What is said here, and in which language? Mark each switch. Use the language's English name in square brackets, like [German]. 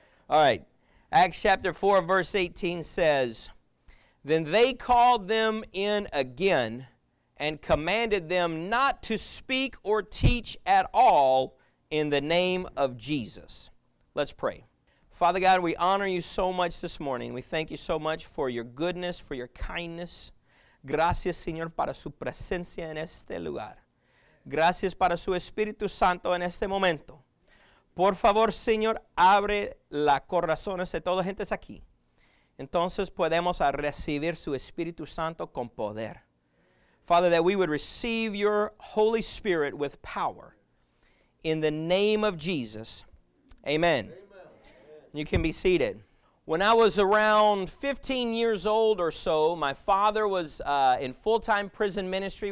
[English] All right, Acts chapter 4, verse 18 says, "Then they called them in again and commanded them not to speak or teach at all in the name of Jesus." Let's pray. Father God, we honor you so much this morning. We thank you so much for your goodness, for your kindness. [Spanish] Gracias, Señor, para su presencia en este lugar. Gracias para su Espíritu Santo en este momento. Por favor, Señor, abre las corazones de toda gente aquí. Entonces podemos recibir su Espíritu Santo con poder. [English] Father, that we would receive your Holy Spirit with power. In the name of Jesus, amen. You can be seated. When I was around 15 years old or so, my father was in full-time prison ministry.